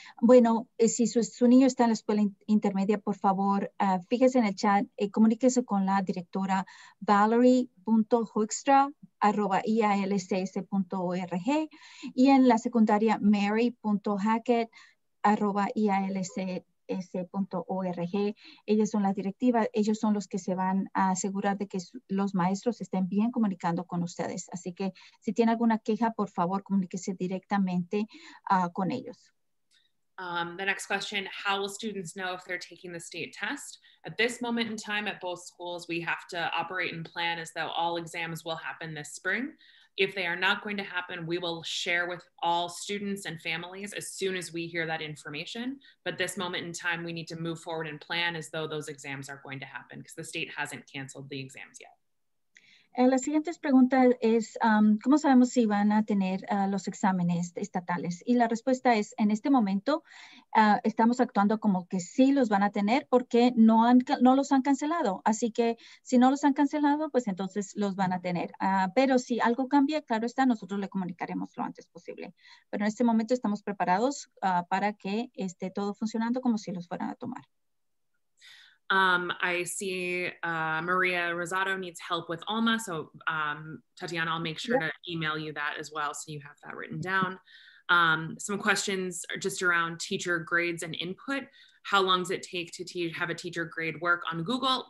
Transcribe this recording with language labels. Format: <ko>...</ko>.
<es>Bueno, si su niño está en la escuela intermedia, por favor, fíjese en el chat, comuníquese con la directora valerie.hoekstra@ials.org y en la secundaria mary.hackett@ials.org. S.org. Ellas son las directivas, ellos son los que se van a asegurar de que los maestros estén bien comunicando con ustedes. Así que si tiene alguna queja, por favor, comuníquese directamente con ellos.</es> <en>The next question, how will students know if they're taking the state test? At this moment in time at both schools, we have to operate and plan as though all exams will happen this spring. If they are not going to happen, we will share with all students and families as soon as we hear that information. But this moment in time, we need to move forward and plan as though those exams are going to happen because the state hasn't canceled the exams yet.</en> <es>La siguiente pregunta es, ¿cómo sabemos si van a tener los exámenes estatales? Y la respuesta es, en este momento, estamos actuando como que sí los van a tener porque no los han cancelado. Así que si no los han cancelado, pues entonces los van a tener. Pero si algo cambia, claro está, nosotros le comunicaremos lo antes posible. Pero en este momento estamos preparados para que esté todo funcionando como si los fueran a tomar.</es> <en>I see Maria Rosado needs help with Alma. So Tatiana, I'll make sure to email you that as well so you have that written down. Some questions are just around teacher grades and input. How long does it take to have a teacher grade work on Google?</en>